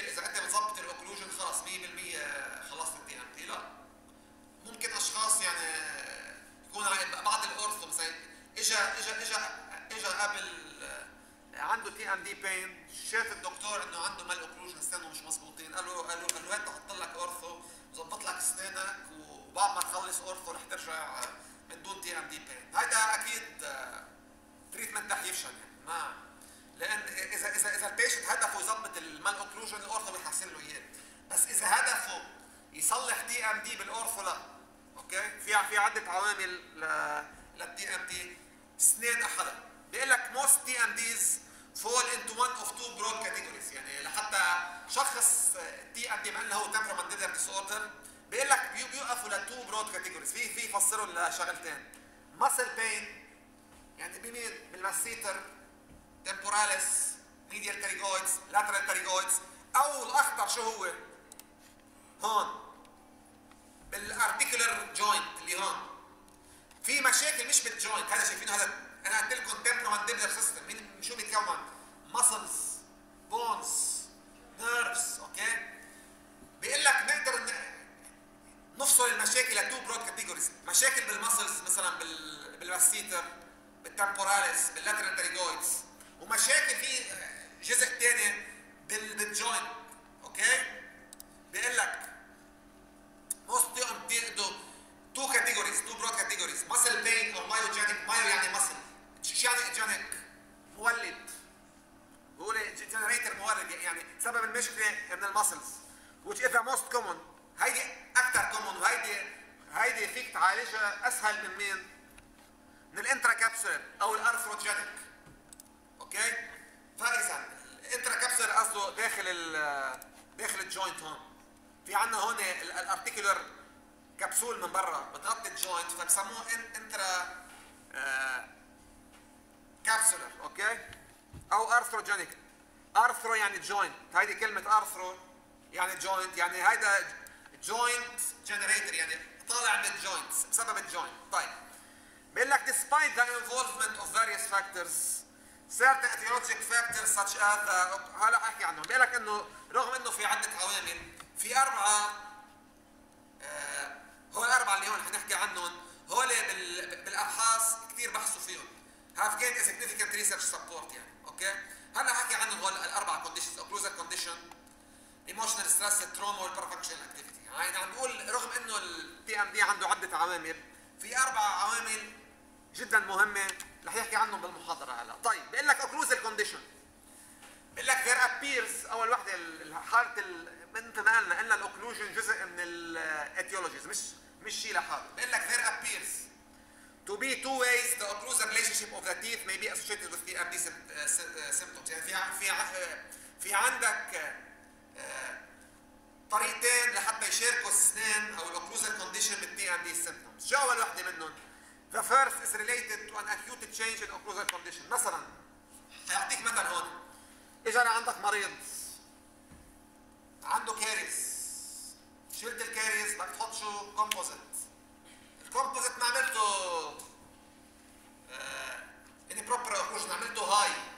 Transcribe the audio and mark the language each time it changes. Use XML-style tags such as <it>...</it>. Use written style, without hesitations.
<ar>اذا انت بتظبط الاوكلوجن خلاص 100% خلصت الدي ام دي. لا, ممكن اشخاص يعني يكون بعض الاورثو مثلا اجى قبل عنده تي ام دي بين, شاف الدكتور انه عنده مال اوكلوجن اسنانه مش مظبوطين, قال له هات احط لك اورثو ظبط لك اسنانك, وبعد ما تخلص اورثو رح ترجع من دون تي ام دي بين. هيدا اكيد تريتمنت رح يفشل, يعني ما, لان اذا اذا اذا البيشنت هدفه يظبط المال اوكلوجن الاورثو بيحسن له اياه, بس اذا هدفه يصلح تي ام دي بالاورثو لا, اوكي. في عده عوامل للتي ام دي. سنين احلى بيقول لك</ar> <en>most TMDs fall into one of two broad categories.</en> <ar>يعني لحتى شخص TMD مع انه هو temporomandibular disorder بيقول لك بيوقفوا لتو</ar> <en>broad categories.</en> <ar>في فسروا لشغلتين, muscle pain يعني بمين, بالماسيتر, temporalis, medial pterygoids, lateral pterygoids, او الاخطر شو هو هون بالarticular joint اللي هون في مشاكل, مش بالجوينت. هذا شايفين, هذا انا قلت لكم temporomandibular system. مين شو بيتكون؟ muscles, bones, nerves, اوكي. بيقول لك نقدر نفصل المشاكل لتو broad categories. مشاكل بالmuscles مثلا بالmasseter, بالtemporalis, باللاترال pterygoids, ومشاكل في جزء تاني بالجوينت, اوكي. بيقول لك</ar> <en>most two categories, two broad categories, muscle pain or myogenic.</en> <ar>myo يعني muscle, جينيك مولد, بقول جينيريتر مولد, يعني سبب المشكله من المسلز,</ar> <en>which is the most common.</en> <ar>هيدي اكثر كومون, وهيدي فيك تعالجها اسهل من مين, من الانترا كابسول او الارثروجينيك, اوكي. فاذا الانترا كابسول قصده داخل الجوينت, هون في عندنا هون الارتيكولر كبسول من برا بتغطي الجوينت, فبسموه انترا كابسولر, اوكي, او ارثروجينيك. ارثرو يعني جوينت, هيدي كلمه ارثرو يعني جوينت, يعني هيدا جوينت جنريتر, يعني طالع من الجوينتس بسبب الجوينت. طيب بيقول لك</ar> <en>despite the involvement of various factors, certain etiologic factors such as the,</en> <ar>هلا احكي عنهم. بيقول لك انه رغم انه في عده عوامل, في اربعه, هو الاربعه اللي هون رح نحكي عنهم, هول بالابحاث كثير بحثوا فيهم,</ar> <en>have gained a significant research support,</en> <ar>يعني اوكي. هلا حكي عن هول الاربع</ar> <en>conditions, occlusal condition, emotional stress, trauma, or perfunctional activity.</en> <ar>يعني عم بقول رغم انه ال TMD عنده عده عوامل, في اربع عوامل جدا مهمه رح يحكي عنهم بالمحاضره هلا. طيب بقول لك occlusal condition, بقول لك</ar> <en>there appears,</en> <ar>اول وحده الحاله من تمالنا ان الاوكلوجن جزء من الايتيولوجيز, مش شيء لحاله.</ar> <en>بقول لك there appears to be two ways the occlusal relationship of the teeth may be associated with the TMD symptoms.</en> <ar>يعني في عندك طريقتين لحتى يشاركوا السنان او الاوكلوزال كونديشن بالTMD symptoms. شو اول وحده منهم؟</ar> <en>The first is related to an acute change in occlusal condition.</en> <ar>مثلا اعطيك مثل هون, اجى عندك مريض عنده كاريز, شلت الكاريز بدك تحط شو؟ كومبوزيت. كومبوزيت ما عملته اني بروبر اوكلوجن, عملته هاي,</ar>